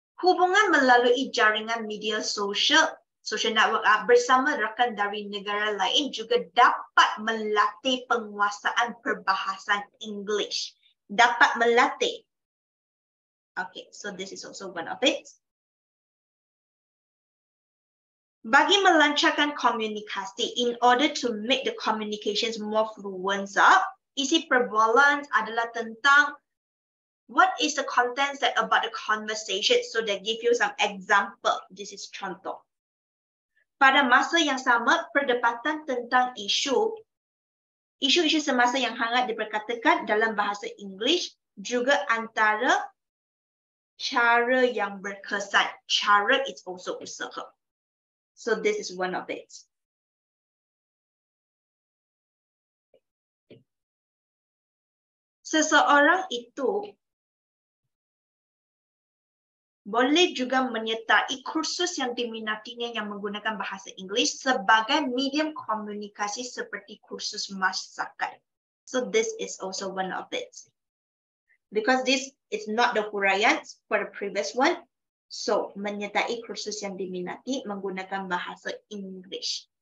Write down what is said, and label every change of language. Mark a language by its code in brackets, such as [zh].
[ms] Hubungan melalui jaringan media social network bersama rakan dari negara lain juga dapat melatih penguasaan perbahasan English. Dapat melatih. [en] Okay, so this is also one of it. [ms] Bagi melancarkan komunikasi, [en] in order to make the communications more fluent up, [ms] isi perbualan adalah tentang [en] what is the content that about the conversation? So they give you some example. This is [ms] contoh. Pada masa yang sama, perdebatan tentang isu-isu semasa yang hangat diperkatakan dalam bahasa English juga antara cara yang berkesan. [en] Cara is also usaha. So this is one of it. [ms] Seseorang itu boleh juga menyertai kursus yang diminatinya yang menggunakan bahasa Inggris sebagai medium komunikasi seperti kursus masakan. [en] So this is also one of it. Because this is not the huraian for the previous one. [ms] So menyertai kursus yang diminati menggunakan bahasa Inggris.